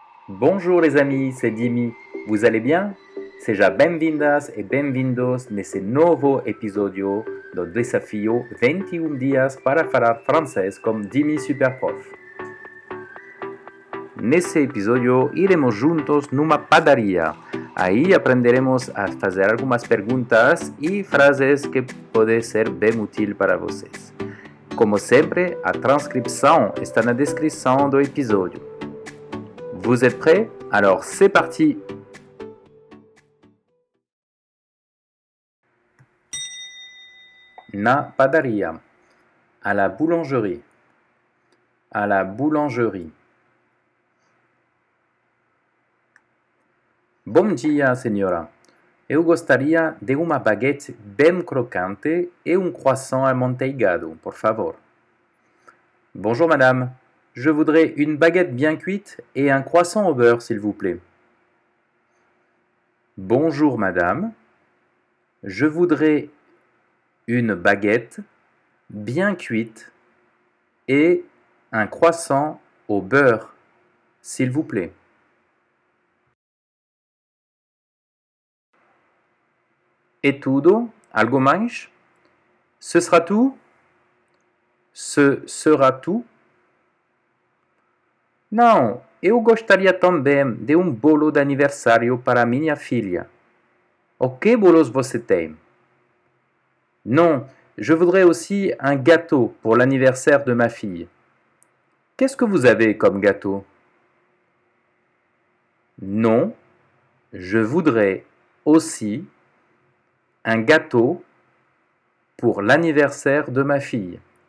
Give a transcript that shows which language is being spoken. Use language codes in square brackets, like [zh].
[fr] Bonjour les amis, c'est Dimi. Vous allez bien? [pt] Seja bem-vindas e bem-vindos nesse novo episódio do Desafio 21 Dias para Falar Francês com Dimi Superprof. Nesse episódio, iremos juntos numa padaria. Aí aprenderemos a fazer algumas perguntas e frases que podem ser bem úteis para vocês. Como sempre, a transcrição está na descrição do episódio. [fr] Vous êtes prêts? Alors, c'est parti! [pt] Na padaria. [fr] À la boulangerie. À la boulangerie. [pt] Bom dia, senhora. Eu gostaria de uma baguete bem crocante e croissant amanteigado, por favor. [fr] Bonjour, madame. Je voudrais une baguette bien cuite et croissant au beurre, s'il vous plaît. Bonjour, madame. Je voudrais une baguette bien cuite et croissant au beurre, s'il vous plaît. [pt] Et tudo? Algo mais? [fr] Ce sera tout? Ce sera tout? [pt] Não, eu gostaria também de bolo d'anniversário para minha filha. O que bolos você tem? [fr] Non, je voudrais aussi gâteau pour l'anniversaire de ma fille. Qu'est-ce que vous avez comme gâteau? Non, je voudrais aussi gâteau pour l'anniversaire de ma fille.